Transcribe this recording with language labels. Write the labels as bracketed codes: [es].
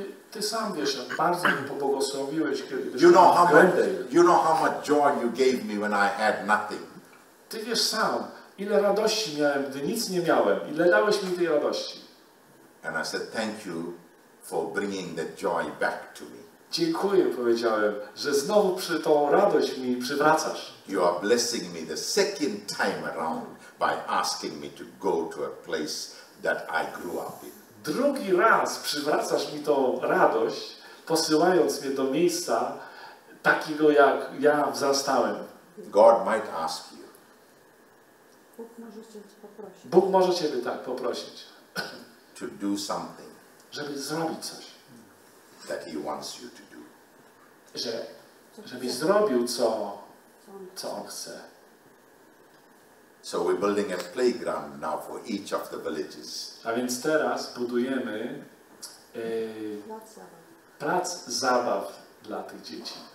[pl] Ty sam wiesz, jak bardzo mnie pobłogosławiłeś, kiedy [en] you know how Glendale. You know how much joy you gave me when I had nothing. [pl] Ty wiesz sam, ile radości miałem, gdy nic nie miałem. Ile dałeś mi tej radości. [en] And I said, thank you for bringing the joy back to me. [pl] Dziękuję, powiedziałem, że znowu przy tą radość mi przywracasz. [en] You are blessing me the second time around by asking me to go to a place that I grew up in. [pl] Drugi raz przywracasz mi tą radość, posyłając mnie do miejsca takiego, jak ja wzrastałem. [en] God might ask you. [pl] Bóg może ciebie tak poprosić. [en] To do something. [pl] Żeby zrobić coś. [en] that he wants you to do. [pl] Żebyś zrobił co on chce. [en] So we're building a playground now for each of the villages. [pl] A więc teraz budujemy plac zabaw dla tych dzieci.